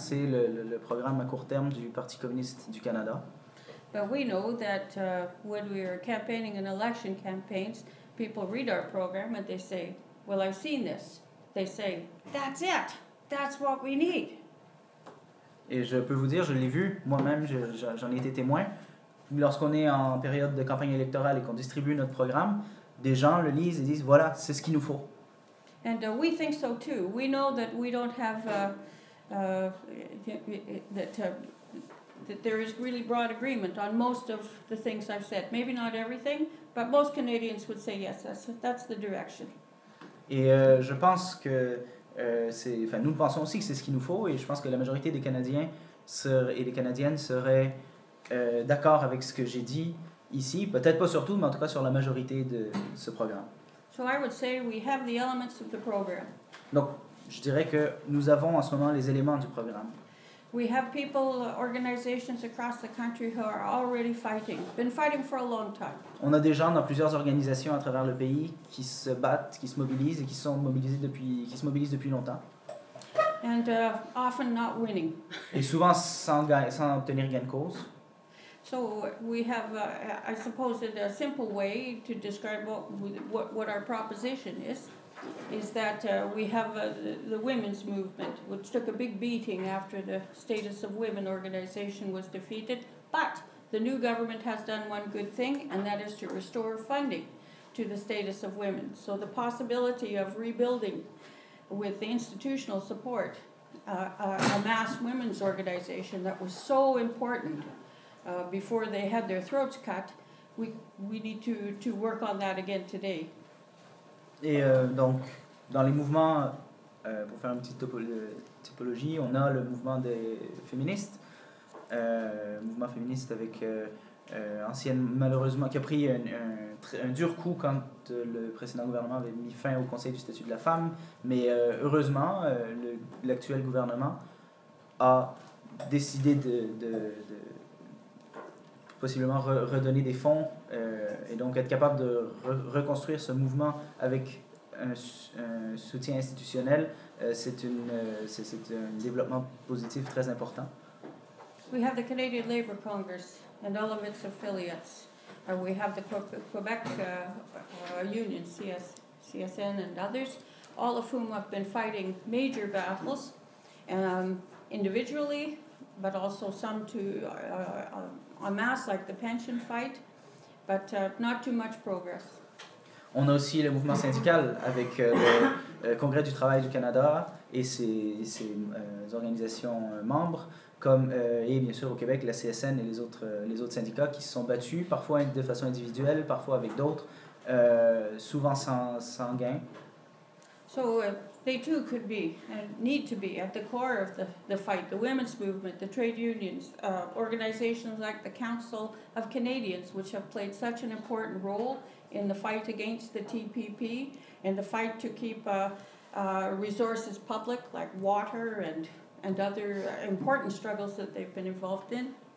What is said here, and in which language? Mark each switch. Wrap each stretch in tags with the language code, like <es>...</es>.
<fr>C'est le programme à court terme du Parti communiste du Canada.</fr> <en>But we know that when we are campaigning in election campaigns, people read our program and they say, well, I've seen this. They say, that's it. That's what we need.</en> <fr>Et je peux vous dire, je l'ai vu moi-même, j'en ai été témoin. Lorsqu'on est en période de campagne électorale et qu'on distribue notre programme, des gens le lisent et disent, voilà, c'est ce qu'il nous faut.</fr> <en>And we think so too. We know that we don't have that there is really broad agreement on most of the things I've said. Maybe not everything, but most Canadians would say yes. That's the direction.</en> <fr>Et je pense que c'est. Enfin, nous pensons aussi que c'est ce qu'il nous faut, et je pense que la majorité des Canadiens et des Canadiennes seraient d'accord avec ce que j'ai dit ici. Peut-être pas sur tout, mais en tout cas sur la majorité de ce programme.</fr> <en>So I would say we have the elements of the program.</en> <fr>Donc, je dirais que nous avons en ce moment les éléments du programme.</fr> <en>We have people, organizations across the country who are already fighting, been fighting for a long time.</en> <fr>On a des gens dans plusieurs organisations à travers le pays qui se battent, qui se mobilisent et qui se mobilisent depuis longtemps.</fr> <en>And often not winning.</en> <fr>Et souvent sans obtenir gain de cause.</fr> <en>So we have, I suppose, a simple way to describe what our proposition is that we have the women's movement, which took a big beating after the Status of Women organization was defeated. But the new government has done one good thing, and that is to restore funding to the Status of Women. So the possibility of rebuilding with the institutional support a mass women's organization that was so important before they had their throats cut, we need to work on that again today.</en> <fr>Et donc, dans les mouvements, pour faire une petite typologie, on a le mouvement des féministes, mouvement féministe avec ancienne, malheureusement, qui a pris un dur coup quand le précédent gouvernement avait mis fin au Conseil du statut de la femme, mais heureusement, l'actuel gouvernement a décidé de possiblement redonner des fonds et donc être capable de reconstruire ce mouvement avec un soutien institutionnel, c'est un développement positif très important.</fr> <en>We have the Canadian Labour Congress and all of its affiliates. And we have the Quebec Union, CSN and others, all of whom have been fighting major battles individually, but also some to en masse, like the pension fight, but not too much progress.</en> <fr>On a aussi le mouvement syndical avec le Congrès du travail du Canada et ses organisations membres, comme et bien sûr au Québec la CSN et les autres syndicats qui se sont battus parfois de façon individuelle, parfois avec d'autres, souvent sans gain.</fr> <en>So they too could be and need to be at the core of the fight, the women's movement, the trade unions, organizations like the Council of Canadians, which have played such an important role in the fight against the TPP and the fight to keep resources public like water and other important struggles that they've been involved in.</en>